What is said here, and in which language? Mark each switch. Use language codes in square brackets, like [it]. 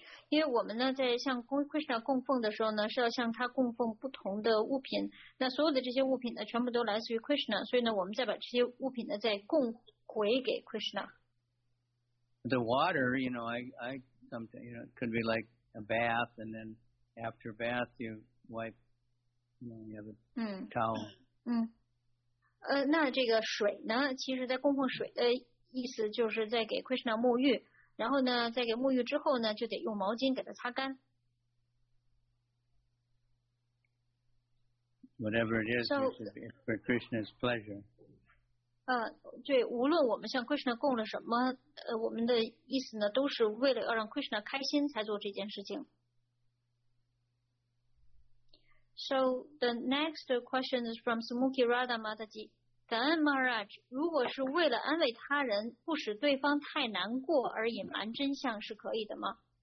[zh] 因为我们呢在向 Krishna 供奉的时候呢是要向他供奉不同的物品，那所有的这些物品呢全部都来自于 Krishna， 所以呢我们再把这些物品呢再供回给 Krishna。 [en] The water, you know, I something, you know, it could be like a bath, and then after bath you wipe, you know, you have a towel. [zh] 那这个水呢，其实在供奉水的意思就是在给 Krishna 沐浴，然后呢，在给沐浴之后呢，就得用毛巾给它擦干。 [en] Whatever it is, for Krishna's pleasure. [zh] 对，无论我们向 Krishna 供了什么，我们的意思呢，都是为了要让 Krishna 开心才做这件事情。 [en] So the next question is from Smukhi Radha Mataji. [zh] 感恩 Maharaj， 如果是为了安慰他人，不使对方太难过而隐瞒真相是可以的吗？